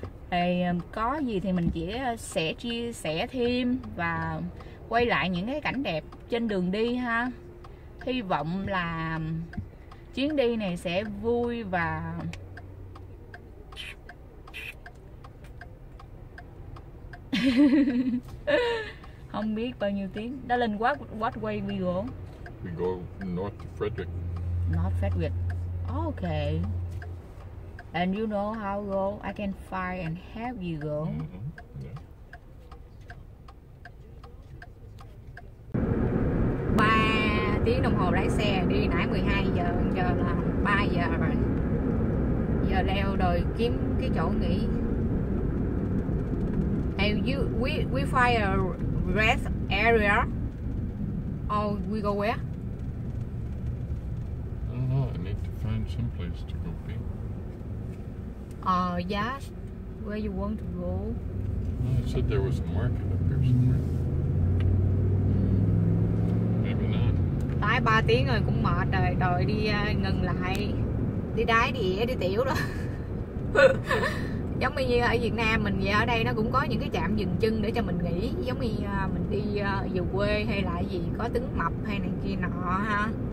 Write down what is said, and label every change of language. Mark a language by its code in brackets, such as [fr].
[vi] Thì có gì thì mình chỉ sẽ chia sẻ thêm và quay lại những cái cảnh đẹp trên đường đi ha. Hy vọng là chuyến đi này sẽ vui và Không biết bao nhiêu tiếng. [en] Darling, what way we go? We go north to Frederick. North Frederick. Okay. And you know how go? I can find and help you go. Mm-hmm. Yeah. [vi] 3 tiếng đồng hồ lái xe, đi nãy 12 giờ, giờ là 3 giờ rồi. Giờ leo đồi kiếm cái chỗ nghỉ. [en] And you, we find a rest area. Oh, we go where? I don't know. I need to find some place to go be. Yes. Where you want to go? I said there was a market up here somewhere. Maybe not. [vi] Tại 3 tiếng rồi cũng mệt rồi, trời đi ngừng lại. Đi đái đĩa, đi tiểu đó. Giống như ở Việt Nam mình vậy, ở đây nó cũng có những cái trạm dừng chân để cho mình nghỉ. Giống như mình đi về quê hay là gì, có Tấn Mập hay này kia nọ ha.